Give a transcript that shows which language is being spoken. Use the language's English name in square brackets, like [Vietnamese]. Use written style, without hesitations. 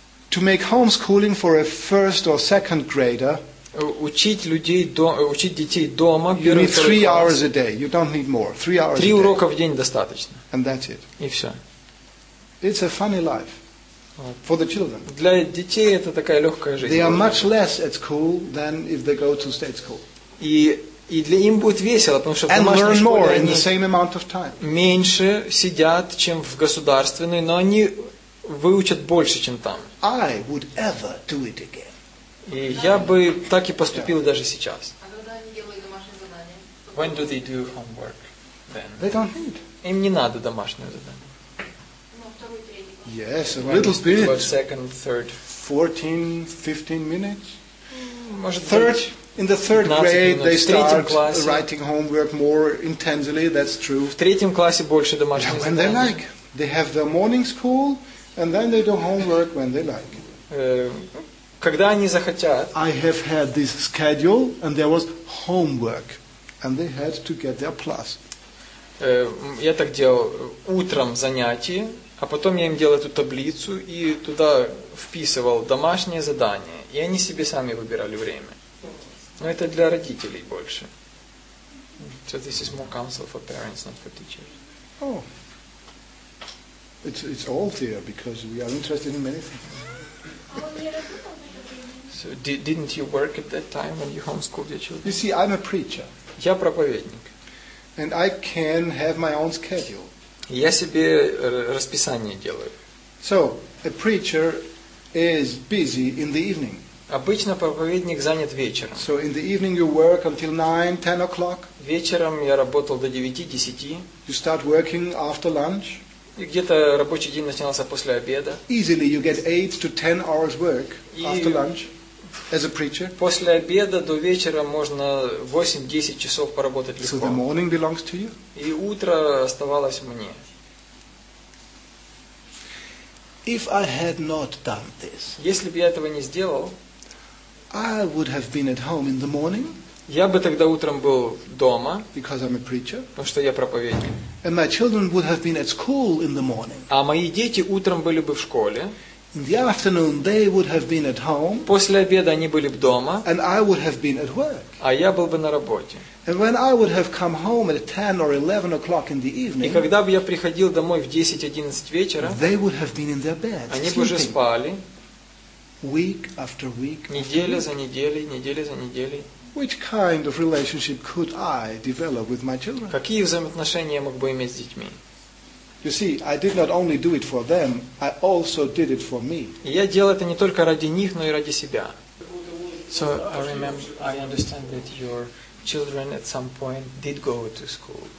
[English] To make homeschooling for a first or second grader, [Russian] учить детей дома. [English] You need 3 hours a day. You don't need more. 3 hours. [Russian] Три урока в день достаточно. [English] And that's it. [Russian] И все. [English] It's a funny life for the children. [Russian] Для детей это такая легкая жизнь. [English] They are much less at school than if they go to state school. [Russian] И для им будет весело, потому что в домашней школе [English] in the same amount of time. [Russian] Меньше сидят, чем в государственной, но они выучат больше, чем там. [English] I would ever do it again. [Russian] И я бы так и поступил даже сейчас. А когда они делают домашние задания? [English] When do they do homework then? They don't need. [Russian] Им не надо домашнее задание. Ну, второй-третий. [English] Yes, a little bit. About second, third. 14, 15 minutes. [Russian] Может, [English] third, in the third grade they start writing homework more intensely, that's true. [Russian] В третьем классе больше домашнее задание. [English] When they like. They have their morning school, and then they do homework when they like. [Russian] Когда они захотят. [English] I have had this schedule, and there was homework, and they had to get their plus. [Russian] Я так делал: утром занятия, а потом я им делал эту таблицу и туда вписывал домашнее задание, и они себе сами выбирали время. Но это для родителей больше. [English] So this is more counsel for parents, not for teachers. Oh, it's all there because we are interested in many things. So didn't you work at that time when you homeschooled your children? You see, I'm a preacher. [Russian] Я проповедник. [English] And I can have my own schedule. [Russian] Я себе расписание делаю. [English] So a preacher is busy in the evening. [Russian] Обычно проповедник занят вечером. [English] So in the evening you work until 9-10 o'clock. [Russian] Вечером я работал до 9-10. [English] You start working after lunch. [Russian] И где-то рабочий день начинался после обеда. [English] Easily you get 8 to 10 hours work after lunch. As a preacher. [Russian] После обеда до вечера можно 8-10 часов поработать легко. [English] So the morning belongs to you? [Russian] И утро оставалось мне. [English] If I had not done this, [Russian] если бы я этого не сделал, [English] I would have been at home in the morning. [Russian] Я бы тогда утром был дома. [English] Because I'm a preacher. [Russian] Потому что я проповедник. [English] And my children would have been at school in the morning. [Russian] А мои дети утром были бы в школе. [English] In the afternoon they would have been at home. [Russian] После обеда они были бы дома. [English] And I would have been at work. [Russian] А я был бы на работе. [English] And when I would have come home at 10 or 11 o'clock in the evening. [Russian] И когда бы я приходил домой в 10-11 вечера. [English] They would have been in their beds. [Russian] Они бы уже спали. [English] Week after week. [Russian] Неделя за неделей, неделя за неделей. [English] Which kind of relationship could I develop with my children? [Russian] Какие взаимоотношения я мог бы иметь с детьми? [English] You see, I did not only do it for them, I also did it for me. [Russian] Я делал это не только ради них, но и ради себя. [English] So I remember, I understand that your children at some point did go to school.